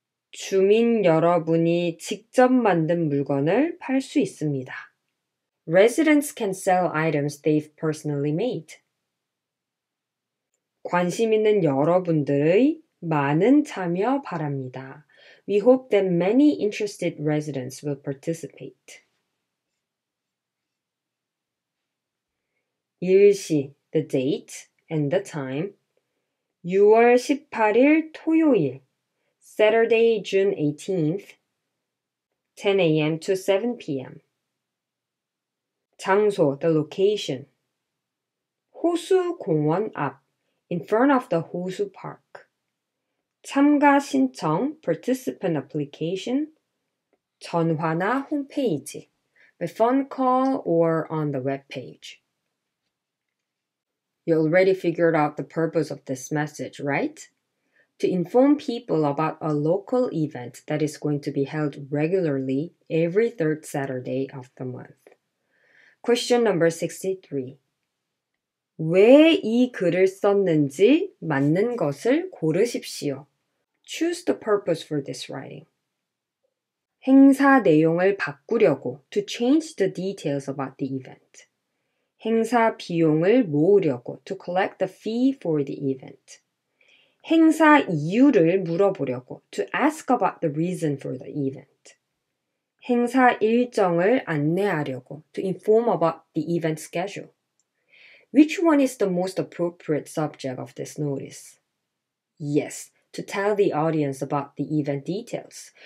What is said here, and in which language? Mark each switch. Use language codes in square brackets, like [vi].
[ko] 주민 여러분이 직접 만든 물건을 팔 수 있습니다. [en] Residents can sell items they've personally made. [ko] 관심 있는 여러분들의 많은 참여 바랍니다. [en] We hope that many interested residents will participate. [ko] 일시 [en] The date and the time, [ko] 6월 18일 토요일, [en] Saturday, June 18th, 10 a.m. to 7 p.m. [ko] 장소, [en] the location, [ko] 호수 공원 앞, [en] in front of the 호수 park. [ko] 참가 신청, [en] participant application, [ko] 전화나 홈페이지, [en] by phone call or on the webpage. You already figured out the purpose of this message, right? To inform people about a local event that is going to be held regularly every third Saturday of the month. Question number 63. [ko] 왜 이 글을 썼는지 맞는 것을 고르십시오. [en] Choose the purpose for this writing. [ko] 행사 내용을 바꾸려고. [en] To change the details about the event. [ko] 행사 비용을 모으려고, [en] to collect the fee for the event. [ko] 행사 이유를 물어보려고, [en] to ask about the reason for the event. [ko] 행사 일정을 안내하려고, [en] to inform about the event schedule. Which one is the most appropriate subject of this notice? Yes, to tell the audience about the event details.